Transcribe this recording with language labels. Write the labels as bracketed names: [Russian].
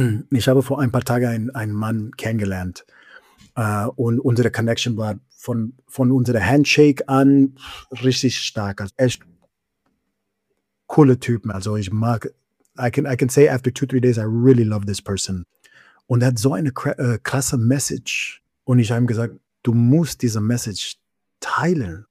[German] Ich habe vor ein paar Tagen einen Mann kennengelernt und unsere Connection war von unserer Handshake an richtig stark. Also echt coole Typen. Also ich mag, [English] I can say after 2-3 days, I really love this person. [German] Und er hat so eine krasse Message. Und ich habe ihm gesagt, du musst diese Message teilen.